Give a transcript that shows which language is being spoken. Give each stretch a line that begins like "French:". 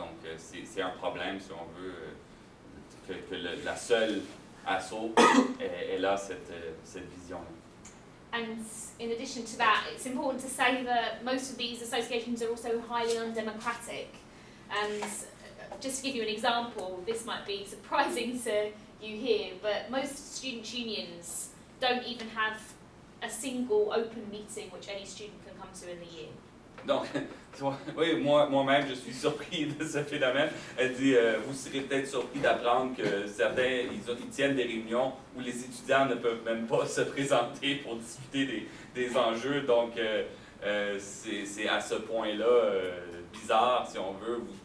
French: Donc, c'est un problème, si on veut, que la seule assaut est là, cette vision-là.
English: And in addition to that, it's important to say that most of these associations are also highly undemocratic. And just to give you an example, this might be surprising to you here, but most student unions don't even have a single open meeting which any student can come to in the year.
French: Donc, oui, moi-même, je suis surpris de ce phénomène. Elle dit, vous serez peut-être surpris d'apprendre que certains, ils tiennent des réunions où les étudiants ne peuvent même pas se présenter pour discuter des enjeux. Donc, c'est à ce point-là bizarre, si on veut.